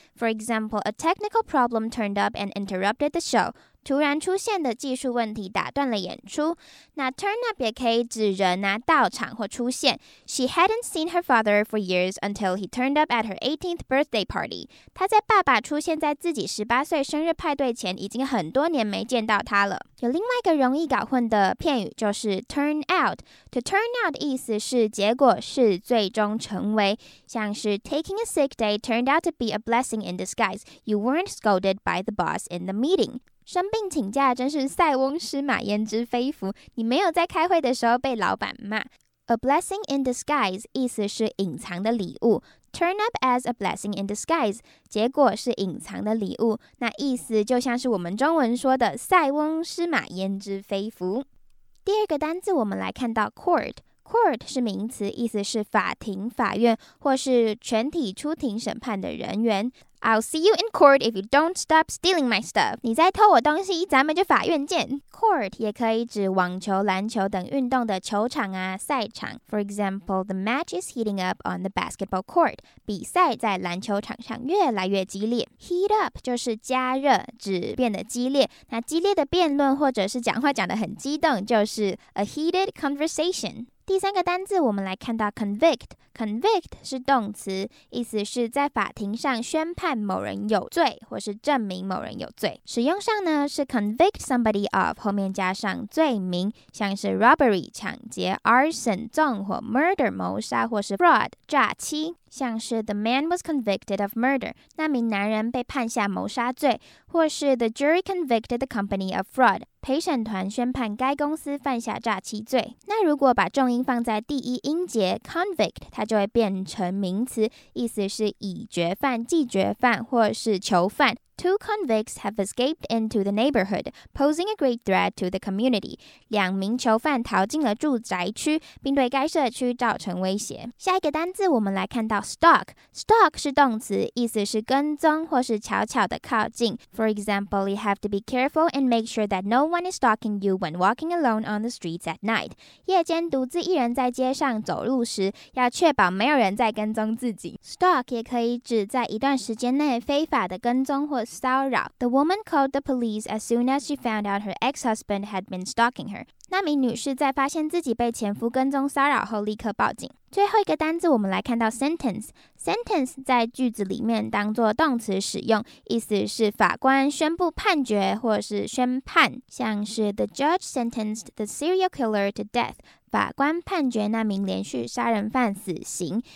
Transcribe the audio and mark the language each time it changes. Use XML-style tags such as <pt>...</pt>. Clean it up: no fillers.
<en>For example, a technical problem turned up and interrupted the show。</en> <zh>突然出现的技术问题打断了演出。那 turn up 也可以指人啊，到场或出现。</zh> <en>She hadn't seen her father for years until he turned up at her 18th birthday party。</en> <zh>她在爸爸出现在自己18岁生日派对前，已经很多年没见到他了。有另外一个容易搞混的片语就是 turn out。</zh> <en>To turn out</en> <zh>意思是结果是最终成为，像是</zh> <en>taking a sick day turned out to be a blessing in disguise. You weren't scolded by the boss in the meeting.</en> <zh>生病请假真是塞翁失马焉知非福，你没有在开会的时候被老板骂。</zh> <en>A blessing in disguise</en> <zh>意思是隐藏的礼物，</zh> <en>turn up as a blessing in disguise</en> <zh>结果是隐藏的礼物，那意思就像是我们中文说的塞翁失马焉知非福。第二个单字我们来看到 courtCourt 是名词，意思是法庭、法院，或是全体出庭审判的人员。</zh> <en>I'll see you in court if you don't stop stealing my stuff.</en> <zh>你再偷我东西，咱们就法院见。 Court 也可以指网球、篮球等运动的球场啊、赛场。</zh> <en>For example, the match is heating up on the basketball court.</en> <zh>比赛在篮球场上越来越激烈。 Heat up 就是加热，指变得激烈。那激烈的辩论或者是讲话讲得很激动，就是</zh> <en>a heated conversation.</en> <zh>第三个单字我们来看到 convict， convict 是动词，意思是在法庭上宣判某人有罪或是证明某人有罪。使用上呢是 convict somebody of 后面加上罪名，像是 robbery 抢劫， arson 纵火， murder 谋杀，或是 fraud 诈欺。像是</zh> <en>the man was convicted of murder,</en> <zh>那名男人被判下谋杀罪，或是</zh> <en>the jury convicted the company of fraud,</en> <zh>陪审团宣判该公司犯下诈欺罪。那如果把重音放在第一音节 convict, 它就会变成名词，意思是已决犯、既决犯或是囚犯。</zh> <en>Two convicts have escaped into the neighborhood, posing a great threat to the community.</en> <zh>两名囚犯逃进了住宅区，并对该社区造成威胁。下一个单字我们来看到 stalk. Stalk 是动词，意思是跟踪或是悄悄地靠近。</zh> <en>For example, you have to be careful and make sure that no one is stalking you when walking alone on the streets at night.</en> <zh>夜间独自一人在街上走路时，要确保没有人在跟踪自己。 Stalk 也可以指在一段时间内非法的跟踪或骚扰。</zh> <en>The woman called the police as soon as she found out her ex-husband had been stalking her.</en> <zh>那名女士在发现自己被前夫跟踪骚扰后立刻报警。最后一个单字我们来看到 sentence。Sentence 在句子里面当作动词使用，意思是法官宣布判决或是宣判，像是</zh> <en>the judge sentenced the serial killer to death，</en> <zh>法官判决那名连续杀人犯死刑。</zh>